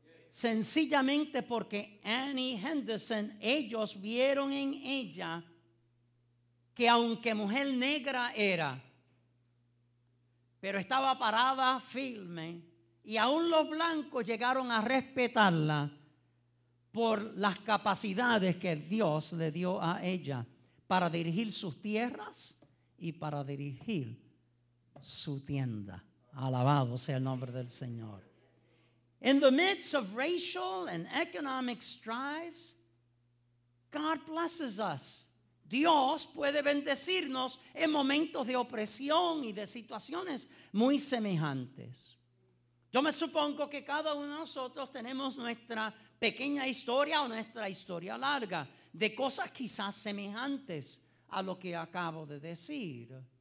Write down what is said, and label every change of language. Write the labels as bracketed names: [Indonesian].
[Spanish] Sencillamente porque Annie Henderson, ellos vieron en ella que aunque mujer negra era, pero estaba parada firme, y aún los blancos llegaron a respetarla por las capacidades que Dios le dio a ella para dirigir sus tierras y para dirigir su tienda. Alabado sea el nombre del Señor. [English] In the midst of racial and economic strifes, God blesses us. [Spanish] Dios puede bendecirnos en momentos de opresión y de situaciones muy semejantes. Yo me supongo que cada uno de nosotros tenemos nuestra pequeña historia o nuestra historia larga de cosas quizás semejantes a lo que acabo de decir.